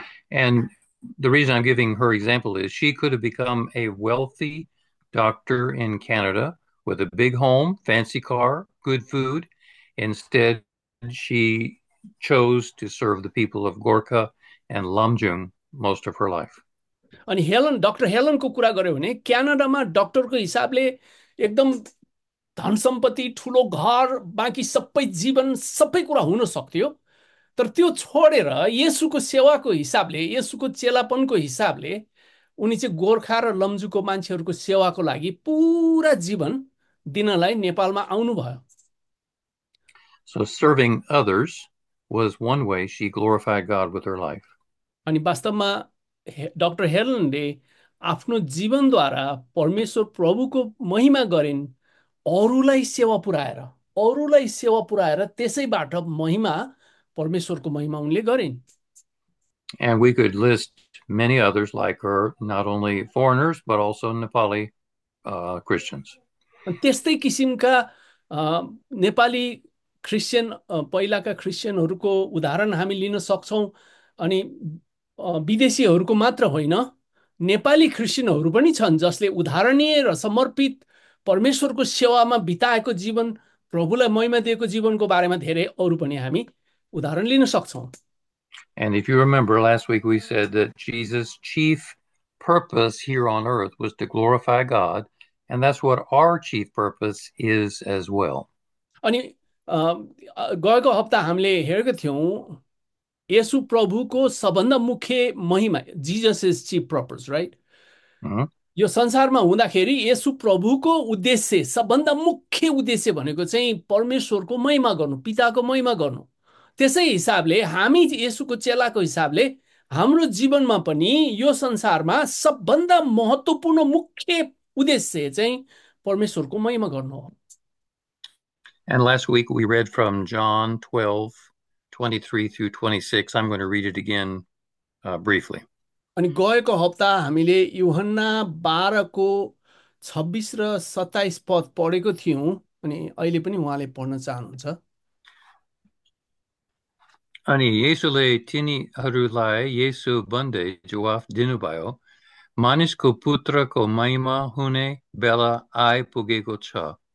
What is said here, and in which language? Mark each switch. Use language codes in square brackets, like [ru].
[en] And the reason I'm giving her example is she could have become a wealthy doctor in Canada with a big home, fancy car, good food. Instead, she chose to serve the people of Gorkha and Lamjung most of her life. [ne] अनि Helen doctor हेलनको कुरा गऱ्यो भने क्यानाडामा डक्टरको हिसाबले एकदम धन सम्पत्ति ठुलो घर बाँकी सबै जीवन सबै कुरा हुन सक्थ्यो तर त्यो छोडेर येसुको सेवाको हिसाबले येसुको चेलापनको हिसाबले उनी चाहिँ गोर्खा र लम्जुको मान्छेहरूको सेवाको लागि पुरा जीवन दिनलाई नेपालमा आउनुभयो [en] So serving others was one way she glorified God with her life. [ne] अनि वास्तवमा डक्टर हेलनले आफ्नो जीवनद्वारा परमेश्वर प्रभुको महिमा गरिन् अरूलाई सेवा पुर्याएर त्यसैबाट महिमा परमेश्वरको महिमा उनले गरिन्। [en] And we could list many others like her, not only foreigners, but also Nepali Christians. [ne] त्यस्तै किसिमका नेपाली क्रिस्चियन पहिलाका क्रिस्चियनहरूको उदाहरण हामी लिन सक्छौँ, अनि विदेशीहरूको मात्र होइन नेपाली क्रिस्चियनहरू पनि छन् जसले उदाहरणीय र समर्पित परमेश्वरको सेवामा बिताएको जीवन, प्रभुलाई महिमा दिएको जीवनको बारेमा धेरै अरू पनि हामी उदाहरण लिन सक्छौँ। [en] And if you remember last week, we said that Jesus' chief purpose here on earth was to glorify God, and that's what our chief purpose is as well. [ne] अनि गएको हप्ता हामीले हेरेको थियौँ येशु प्रभुको सबभन्दा मुख्य महिमा, [en] Jesus is chief purpose, right? [ne] यो संसारमा हुँदाखेरि येशु प्रभुको उद्देश्य, सबभन्दा मुख्य उद्देश्य भनेको चाहिँ परमेश्वरको महिमा गर्नु, पिताको महिमा गर्नु। त्यसै हिसाबले हामी येशुको चेलाको हिसाबले हाम्रो जीवनमा पनि यो संसारमा सबभन्दा महत्त्वपूर्ण मुख्य उद्देश्य चाहिँ परमेश्वरको महिमा गर्नु हो। [en] And last week we read from John 12, 23 through 26. I'm going to read it again briefly. [ne] अनि गएको हप्ता हामीले युहन्ना 12 को 26 र 27 पद पढेको थियौँ, अनि अहिले पनि उहाँले पढ्न चाहनुहुन्छ। अनि येसुले तिनीहरूलाई येसु भन्दै जवाफ दिनुभयो, मानिसको पुत्रको महिमा हुने बेला आइपुगेको छ।